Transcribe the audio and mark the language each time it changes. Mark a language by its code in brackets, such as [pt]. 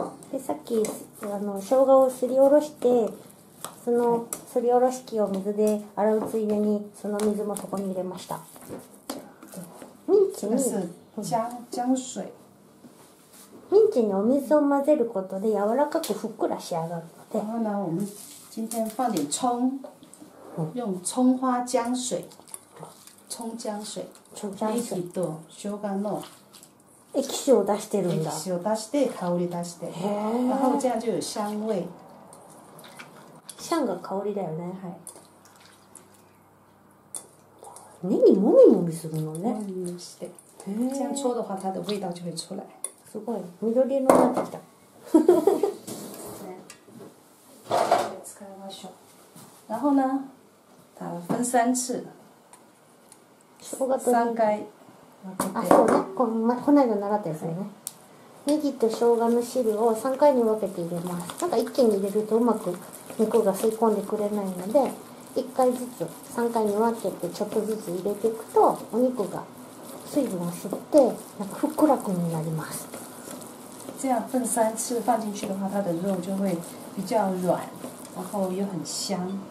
[ja] でさっきあの生姜をすりおろしてそのすりおろし器を水で洗うついでにその水もそこに入れました。ミンチに [zh] 姜水。 [ja] ミンチにお水を混ぜることで柔らかくふっくら仕上がるので。 [zh] 然后呢，我们今天放点葱，用葱花姜水，葱姜水 [ja] 液と生姜の。液体を出してるんだ。液体を出して香り出して。へえ。 [zh] 然后这样就有香味。 [ja] 香が香りだよね。はい。ネギもみもみするのね。もみもみして。へえ。 [zh] 这样搓的话，它的味道就会出来。 [ja] すごい。緑色になってきた。使いましょう。 [zh] 然后呢，打分三次。 [ja] 三回。あ、そうね。この間習ったやつね。ネギと生姜の汁を3回に分けて入れます。なんか一気に入れるとうまく肉が吸い込んでくれないので、1回ずつ3回に分けてちょっとずつ入れていくと、お肉が水分を吸って、なんかふっくらくになります。 [zh] 这样分三次放进去的话，它的肉就会比较软，然后又很香。